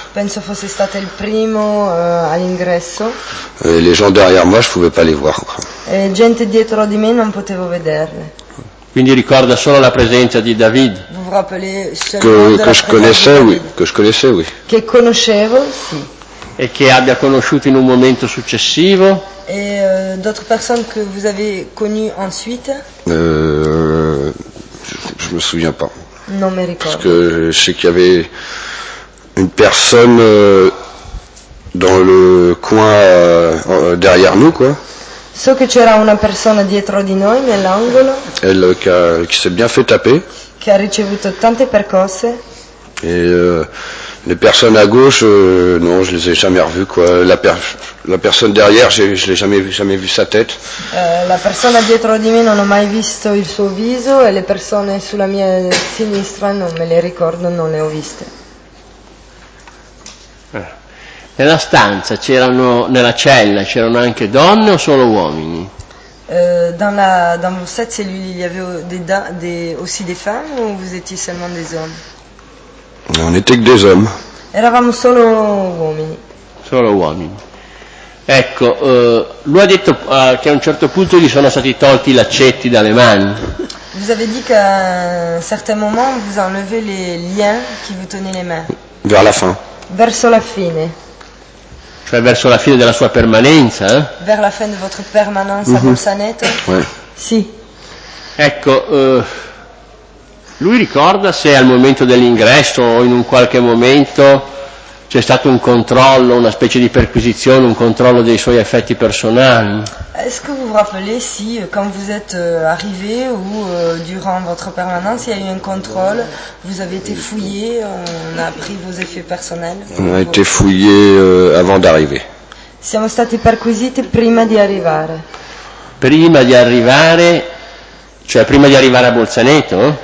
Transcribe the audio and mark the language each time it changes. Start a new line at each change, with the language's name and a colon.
Italian: Penso fosse stato il primo all'ingresso.
French: E les gens derrière moi, je pouvais pas les voir.
Italian: E gente dietro di me non potevo vederle. Quindi ricorda solo la presenza di David.
French: Vous vous rappelez Que je connaissais, oui.
Italian: Che conoscevo, sì. E che abbia conosciuto in un momento successivo.
French: E d'autres personnes que vous avez connues ensuite? Je me souviens pas.
Italian: Non mi ricordo.
French: Parce que je sais qu'il y avait une personne dans le coin derrière nous, quoi.
Italian: So che c'era una persona dietro di noi nell'angolo.
French: Elle qui s'est bien fait taper.
Italian: Che ha ricevuto tante percosse.
French: Et les personnes à gauche, non, je les ai jamais revues, quoi. La personne derrière, je l'ai jamais vu sa tête.
Italian: La persona dietro di me non ho mai visto il suo viso e le persone sulla mia sinistra non me le ricordo, non le ho viste. Nella stanza c'erano, nella cella c'erano anche donne o solo uomini?
French: Dans cette cellule il y avait aussi des femmes ou vous étiez seulement des hommes? On était que des hommes.
Italian: Eravamo solo uomini. Solo uomini. Ecco, lui ha detto che a un certo punto gli sono stati tolti i laccetti dalle mani.
French: Vous avez dit qu'à un certain moment vous enlevez les liens qui vous tenaient les mains. Vers la fin.
Italian: Verso la fine. Cioè verso la fine della sua permanenza.
French: Vers la fin de votre permanence à Bolzaneto. Ouais.
Italian: Sì. Ecco, Lui ricorda se al momento dell'ingresso o in un qualche momento c'è stato un controllo, una specie di perquisizione, un controllo dei suoi effetti personali?
French: Est-ce que vous vous rappelez si quand vous êtes arrivé ou durant votre permanence il y a eu un contrôle, vous avez été fouillé, on a pris vos effets personnels? On a été fouillé avant d'arriver.
Italian: Siamo stati perquisiti prima di arrivare. Prima di arrivare, cioè prima di arrivare a Bolzaneto?